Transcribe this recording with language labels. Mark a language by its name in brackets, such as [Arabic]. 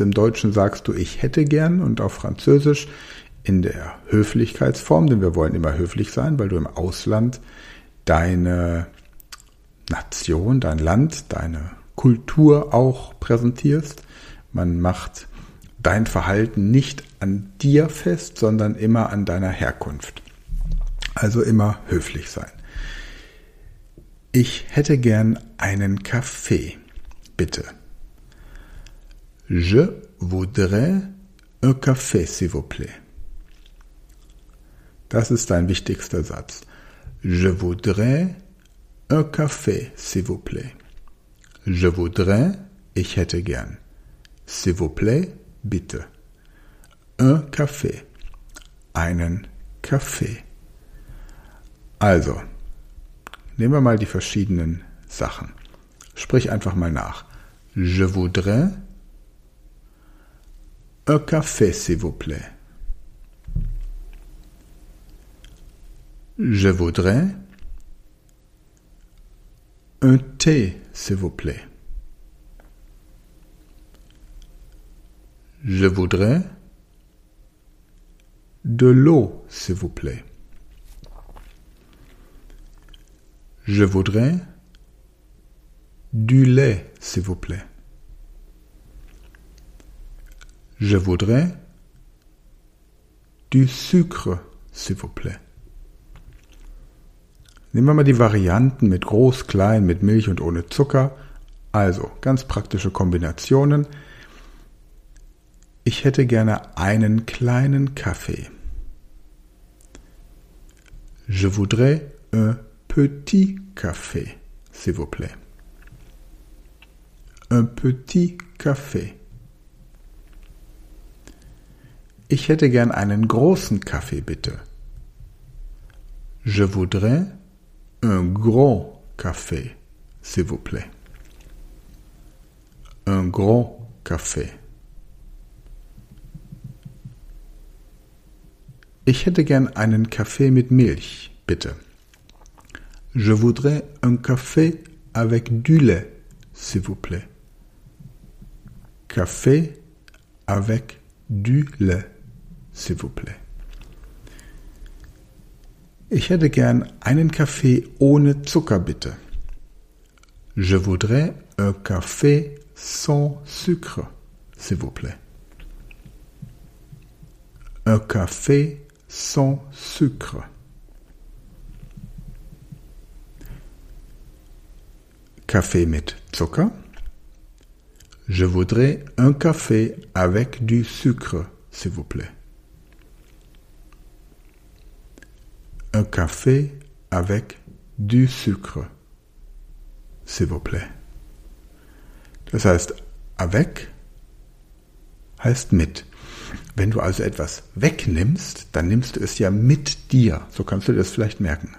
[German] Im Deutschen sagst du, ich hätte gern, und auf Französisch in der Höflichkeitsform, denn wir wollen immer höflich sein, weil du im Ausland deine Nation, dein Land, deine Kultur auch präsentierst. Man macht dein Verhalten nicht an dir fest, sondern immer an deiner Herkunft. Also immer höflich sein. Ich hätte gern einen Kaffee, bitte. [French] Je voudrais un café, s'il vous plaît. [German] Das ist dein wichtigster Satz. [French] Je voudrais un café, s'il vous plaît. Je voudrais, [German] Ich hätte gern. [French] S'il vous plaît, [German] bitte. [French] Un café. [German] Einen Kaffee. Also, nehmen wir mal die verschiedenen Sachen. Sprich einfach mal nach. [French] Je voudrais un café, s'il vous plaît. Je voudrais un thé, s'il vous plaît. Je voudrais de l'eau, s'il vous plaît. Je voudrais du lait, s'il vous plaît. Je voudrais du sucre, s'il vous plaît. [German] Nehmen wir mal die Varianten mit groß, klein, mit Milch und ohne Zucker. Also, ganz praktische Kombinationen. Ich hätte gerne einen kleinen Kaffee. [French] Je voudrais un petit café, s'il vous plaît. Un petit café. [German] Ich hätte gern einen großen Kaffee, bitte. [French] Je voudrais un grand café, s'il vous plaît. Un grand café. [German] Ich hätte gern einen Kaffee mit Milch, bitte. [French] Je voudrais un café avec du lait, s'il vous plaît. Café avec du lait, s'il vous plaît. [German] Ich hätte gern einen Kaffee ohne Zucker, bitte. [French] Je voudrais un café sans sucre, s'il vous plaît. Un café sans sucre. [German] Café mit Zucker. [French] Je voudrais un café avec du sucre, s'il vous plaît. Un café avec du sucre, s'il vous plaît. [German] Das heißt, avec heißt mit. Wenn du also etwas wegnimmst, dann nimmst du es ja mit dir. So kannst du das vielleicht merken.